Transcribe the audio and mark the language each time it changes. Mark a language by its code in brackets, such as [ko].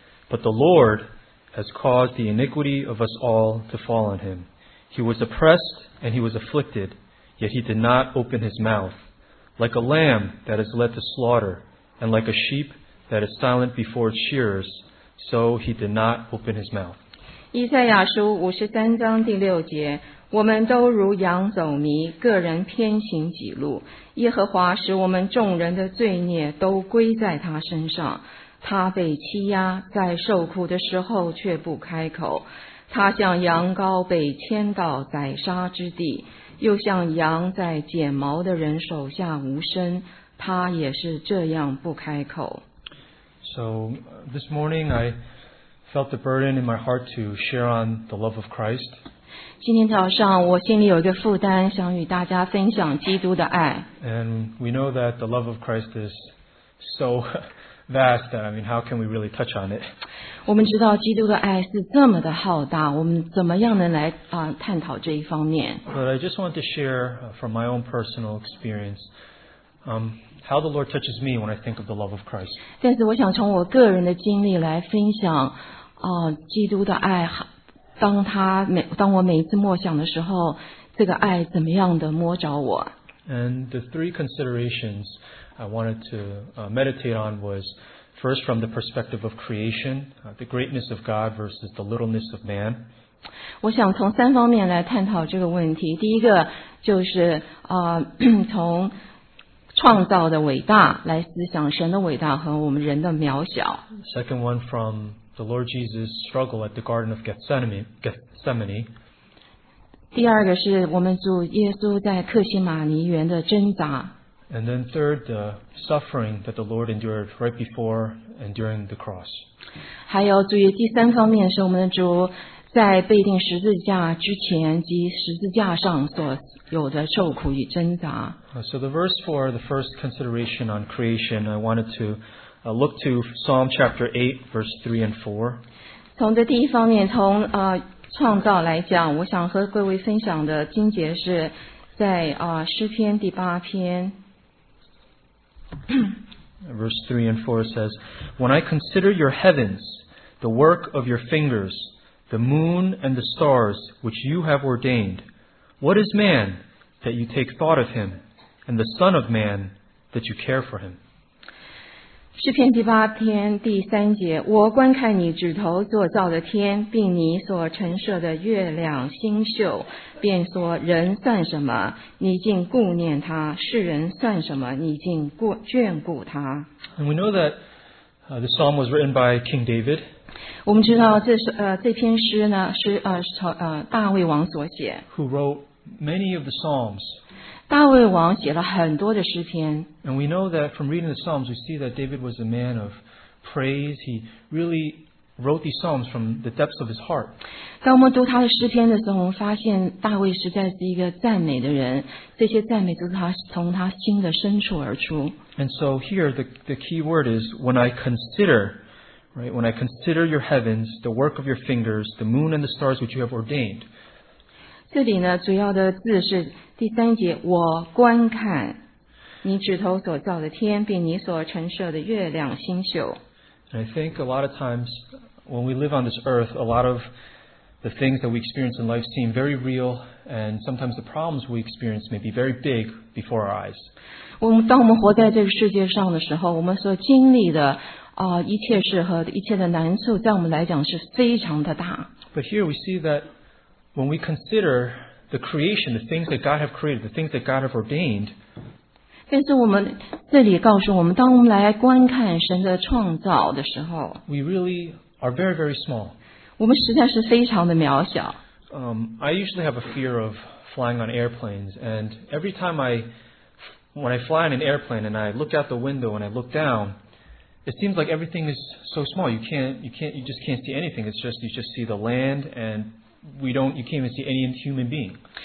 [en] But the Lord has caused the iniquity of us all to fall on him. He was oppressed and he was afflicted, yet he did not open his mouth. Like a lamb that is led to slaughter, and like a sheep that is silent before its shearers, so he did not open his mouth. [zh] 以赛亚书五十三章第六节，我们都如羊走迷，个人偏行己路。耶和华使我们众人的罪孽都归在他身上。他被欺压，在受苦的时候却不开口。他像羊羔被牵到宰杀之地，又像羊在剪毛的人手下无声。他也是这样不开口。 [en] So, this morning I felt the burden in my heart to share on the love of Christ. [zh] 今天早上我心里有一个负担，想与大家分享基督的爱。 [en] And we know that the love of Christ is so vast that, I mean, how can we really touch on it? [zh] 我们知道基督的爱是这么的浩大，我们怎么样能来探讨这一方面？ [en] But I just want to share from my own personal experience, how the Lord touches me when I think of the love of Christ. [zh] 但是我想从我个人的经历来分享基督的爱，当我每一次默想的时候，这个爱怎么样的摸着我。 [en] And the three considerations I wanted to meditate on was first from the perspective of creation, the greatness of God versus the littleness of man. [zh] 我想从三方面来探讨这个问题。第一个就是从创造的伟大来思想神的伟大和我们人的渺小。 [en] Second one from the Lord Jesus' struggle at the Garden of Gethsemane. [zh] 第二个是我们主耶稣在克西马尼园的挣扎。 [en] And then third, the suffering that the Lord endured right before and during the cross. [zh] 还有注意第三方面是我们的主在被钉十字架之前及十字架上所有的受苦与挣扎。 [en] So the verse for the first consideration on creation, I wanted to look to Psalm chapter 8, verse 3 and 4. [zh] 从这第一方面，从创造来讲，我想和各位分享的经节是在诗篇第八篇。 [en] Verse 3 and 4 says, When I consider your heavens, the work of your fingers, the moon and the stars which you have ordained, what is man that you take thought of him, and the son of man that you care for him? [zh] 诗篇第八篇第三节，我观看你指头所造的天，并你所陈设的月亮星宿，便说人算什么，你竟顾念他；世人算什么，你竟眷顾他。 [en] And we know that the psalm was written by King David. [zh] 我们知道这篇诗呢是大卫王所写。 [en] Who wrote many of the psalms? [zh] 大卫王写了很多的诗篇。 [en] And we know that from reading the psalms, we see that David was a man of praise. He really wrote these psalms from the depths of his heart. [zh] 当我们读他的诗篇的时候，我们发现大卫实在是一个赞美的人。这些赞美都是他从他心的深处而出。 [en] And so here the key word is when I consider, right? When I consider your heavens, the work of your fingers, the moon and the stars which you have ordained. [zh] 这里呢，主要的字是第三节，我观看你指头所造的天，并你所陈设的月亮星宿。 [en] And I think a lot of times when we live on this earth, a lot of the things that we experience in life seem very real, and sometimes the problems we experience may be very big before our eyes. [zh] 当我们活在这个世界上的时候，我们所经历的一切事和一切的难处，在我们来讲是非常的大。 [en] But here we see that when we consider the creation, the things that God have created, the things that God have ordained, [zh] 但是我们这里告诉我们，当我们来观看神的创造的时候， [en] we really are very, very small. [zh] 我们实在是非常的渺小。 [en] I usually have a fear of flying on airplanes, and every time when I fly on an airplane and I look out the window and I look down, it seems like everything is so small. You just can't see anything. It's just you just see the land and you can't even see any human being.